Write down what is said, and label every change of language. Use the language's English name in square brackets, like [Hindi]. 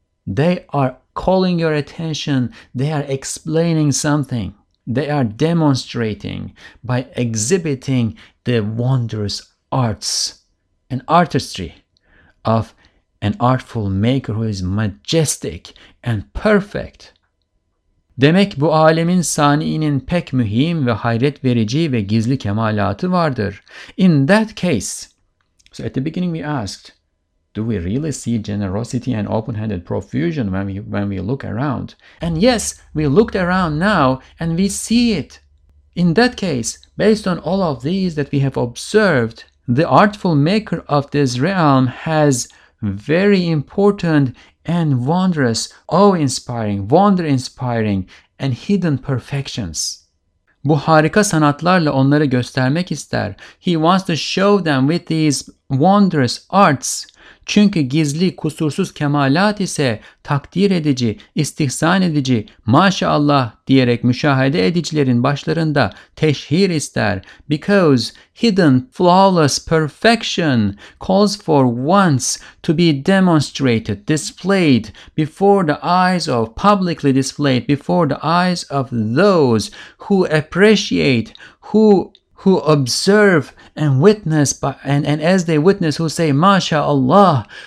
[English] They are calling your attention. They are explaining something. They are demonstrating by exhibiting the wondrous arts and artistry of an artful maker who is majestic and perfect. [Turkish] Demek bu alemin saniinin pek mühim ve hayret verici ve gizli kemalatı vardır. [English] In that case, so at the beginning we asked, do we really see generosity and open-handed profusion when we look around? And yes, we looked around now and we see it. In that case, based on all of these that we have observed, the artful maker of this realm has very important and wondrous, awe-inspiring, wonder-inspiring and hidden perfections. [Turkish] Bu harika sanatlarla onları göstermek ister. [English] He wants to show them with these wondrous arts. [Turkish] Çünkü gizli, kusursuz kemalat ise takdir edici, istihsan edici, maşallah diyerek müşahede edicilerin başlarında teşhir ister. [English] Because hidden, flawless perfection calls for once to be demonstrated, displayed before the eyes of, publicly displayed before the eyes of those who appreciate, who observe and witness, and as they witness, who say, Masha Allah,